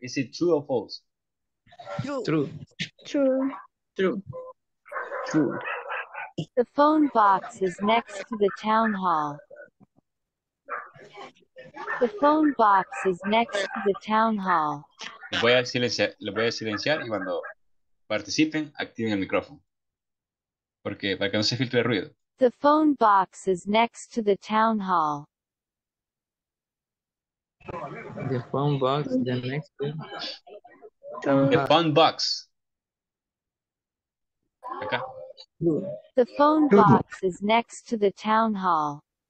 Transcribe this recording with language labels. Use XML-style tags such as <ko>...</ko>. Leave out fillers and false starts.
<en>Is it true or false? True. True. True. True. True. The phone box is next to the town hall. The phone box is next to the town hall.</en> <es>Les voy a silenciar y cuando participen, activen el micrófono. Porque para que no se filtre el ruido.</es> <en>The phone box is next to the town hall. The phone box is next to the phone box.</en> <es>Acá.</es> <en>The phone box is next to the town hall.</en>